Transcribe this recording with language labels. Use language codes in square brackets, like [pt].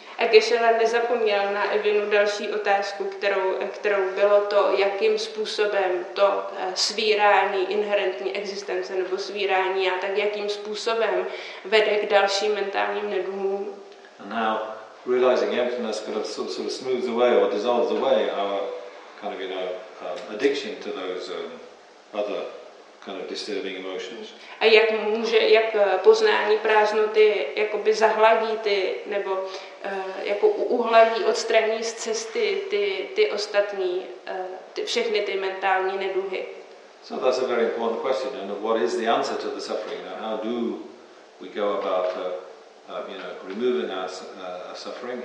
[cs] A Geshe-la nezapomněl na Evinu další otázku, kterou bylo to, jakým způsobem to svírání inherentní existence nebo svírání a tak jakým způsobem vede k dalším mentálním neduhům. [en] And now realizing emptiness kind of sort of smooths away or dissolves away our kind of, you know, addiction to those other kind of disturbing emotions. [cs] A jak může, jak poznání prázdnoty jakoby zahladí ty, nebo jako uhladí, odstraní z cesty ty ostatní, všechny ty mentální neduhy. [en] So that's a very important question, and what is the answer to the suffering? Now, how do we go about, you know, removing our suffering?